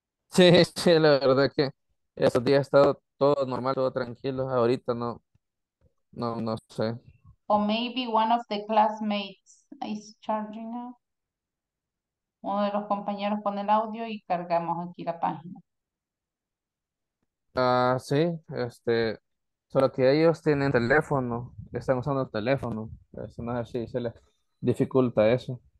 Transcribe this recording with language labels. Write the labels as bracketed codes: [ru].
[es] Sí, la verdad que estos días ha estado todo normal, todo tranquilo. Ahorita no, no, no sé. [en] O maybe one of the classmates is charging up. [es] Uno de los compañeros pone el audio y cargamos aquí la página. Sí, solo que ellos tienen teléfono, están usando el teléfono, eso no es así, se les dificulta eso.